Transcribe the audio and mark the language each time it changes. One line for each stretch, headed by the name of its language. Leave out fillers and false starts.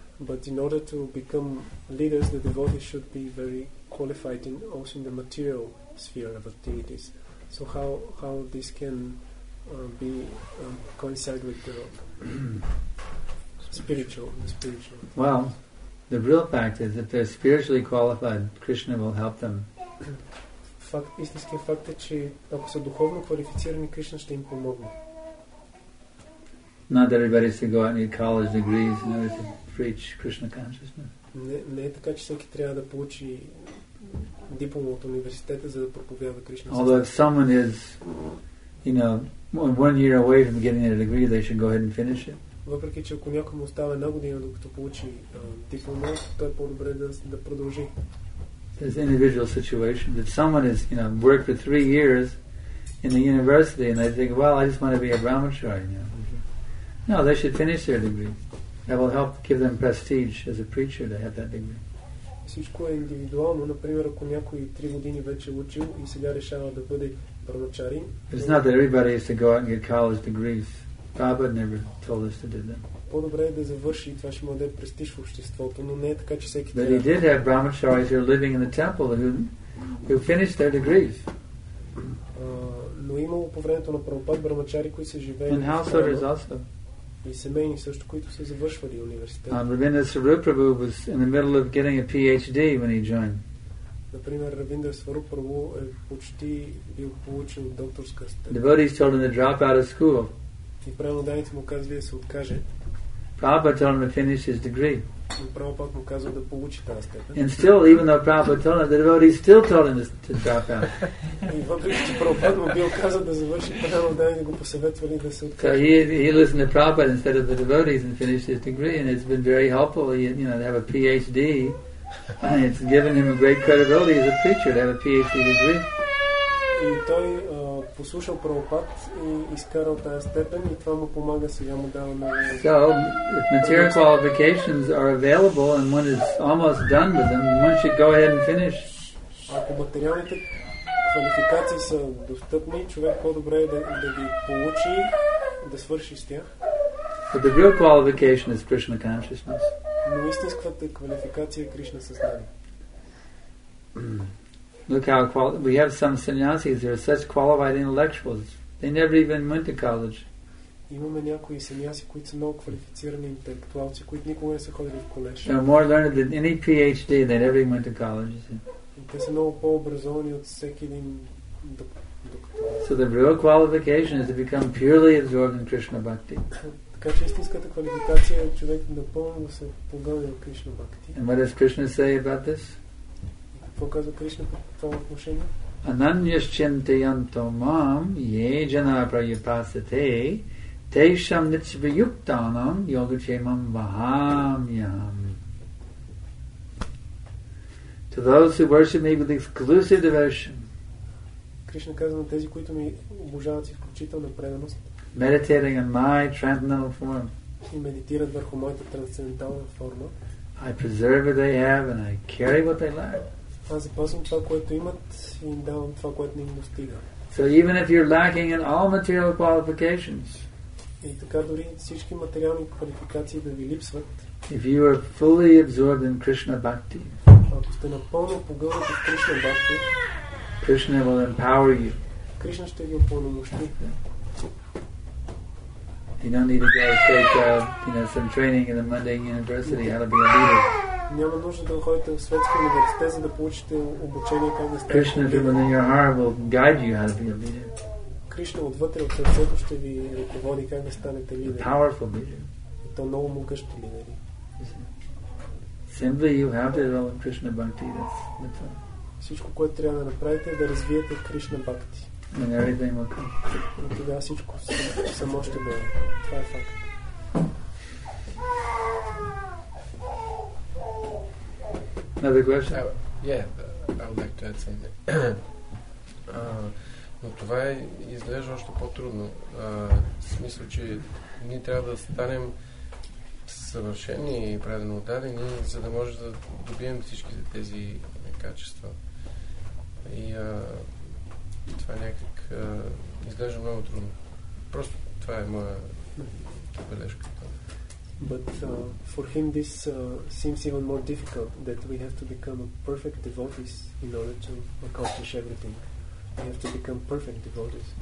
English: But in order to become leaders, the devotees should be very qualified in also in the material sphere of activities. So how this can be coincide with the spiritual? Well, the real fact is that if they're spiritually qualified, Krishna will help them.
Bulgarian: Истинският факт е, че ако са духовно квалифицирани, Кришна ще им помогне.
English: Not that everybody should go out and need college degrees in order to preach Krishna consciousness.
Bulgarian: Не е така, че всеки трябва да получи диплома от университета, за да проповядва Кришна.
English: Although if someone is, you know, one year away from getting a degree, they should go ahead and finish it.
Bulgarian: Въпреки че ако някому остава една година, докато получи диплома, той е по-добре да продължи.
English: There's an individual situation. If someone is, you know, worked for 3 years in the university and they think, well, I just want to be a brahmachari, you know. No, they should finish their degree. That will help give them prestige as a preacher to have that degree.
Bulgarian: Всичко е индивидуално. Например, ако някой 3 години вече учил и сега решава да бъде брамачарин.
English: It's not that everybody has to go out and get college degrees. Prabhupada never told us to do that.
Bulgarian: По-добре е да завърши и това ще му даде престиж в обществото, но не е така, че всеки трябва.
English: But he did have brahmacharis who are living in the temple who finished their degrees.
Bulgarian: Но имало по времето на Прабхупад брамачари, които са живели.
English: And householders also.
Bulgarian: И семейни също, които са завършвали университет.
English: Равиндра Сваруп Прабху was in the middle of getting a PhD when he joined.
Bulgarian: Например, Равиндра Сваруп Прабху е почти бил получил докторска степен.
English: Devotees told him to drop out of school.
Bulgarian: И преподаваните му казали да се откаже.
English: Prabhupada told him to finish his degree.
Bulgarian: Prabhupada му казал да получи тази степен.
English: And still, even though Prabhupada told him, the devotees still told him to drop out.
Bulgarian: И въпреки че Prabhupada му бил казал да завърши, преподаваните го посъветвали да се откаже.
English: So he listened to Prabhupada instead of the devotees and finished his degree, and it's been very helpful. He, you know, to have a PhD, and it's given him a great credibility as a preacher to have a PhD degree.
Bulgarian: И той послушал Прабхупад и изкарал тази степен и това му помага, сега му дава много.
English: So, if material qualifications are available and one is almost done with them, one should go ahead and finish.
Bulgarian: Ако материалните квалификации са достъпни, човек по-добре е да ги получи, да свърши с тях.
English: But the real qualification is Krishna consciousness.
Bulgarian: Но истинската квалификация е Кришна съзнание.
English: Look how we have some sannyasis. They're such qualified intellectuals. They never even went to college.
Bulgarian: Имаме някои сенияси, които са много квалифицирани интелектуалци, които никога не са ходили в колеж.
English: They're more learned than any PhD. They never even went to college.
Bulgarian: Те са много по-образовани от всеки един доктор.
English: So the real qualification is to become purely absorbed in Krishna bhakti.
Bulgarian: Така че истинската квалификация е човек напълно да се погълне в Кришна бхакти.
English: And what does Krishna say about this?
Bulgarian: Показва Кришна по това отношение.
Sanskrit: Ананьяшчентаянто мам е джана прайапасате тейшам ничвиюктанам йогачемам вахамьям.
English: To those who worship me with exclusive devotion.
Bulgarian: Кришна казва на тези, които ми обожават с изключителна преданост.
English: Meditating on my transcendental form.
Bulgarian: И медитират върху моята трансцендентална форма.
English: I preserve what they have and I carry what they lack.
Bulgarian: Аз запазвам това, което имат и им давам това, което не им достига.
English: So even if you're lacking in all material qualifications,
Bulgarian: и така дори всички материални квалификации да ви липсват,
English: if you are fully absorbed in Krishna bhakti,
Bulgarian: ако сте напълно погълнати в Кришна бхакти,
English: Krishna will empower you.
Bulgarian: Кришна ще ви упълномощи.
English: You don't need to go take some training in the mundane university how to be a leader.
Bulgarian: Няма нужда да ходите в светски университет, за да получите обучение как да сте.
English: Krishna within your heart will guide you how to be a leader.
Bulgarian: Кришна отвътре от сърцето ще ви ръководи как да станете лидер.
English: Powerful leader.
Bulgarian: И то много могъщи лидери.
English: Simply you have to develop Krishna bhakti. That's it.
Bulgarian: Всичко, което трябва да направите, е да развиете Кришна бхакти.
English: And everything will come.
Bulgarian: И тогава всичко само ще бъде. Това е факт.
English: Another question? I would like to add something.
Bulgarian: Но това е, изглежда още по-трудно. Смисъл, че ние трябва да станем съвършени и правилно отдадени, за да може да добием всичките тези качества. И това някак изглежда много трудно. Просто това е моя бележка.
English: But for him this seems even more difficult, that we have to become a perfect devotees in order to accomplish everything. We have to become perfect devotees.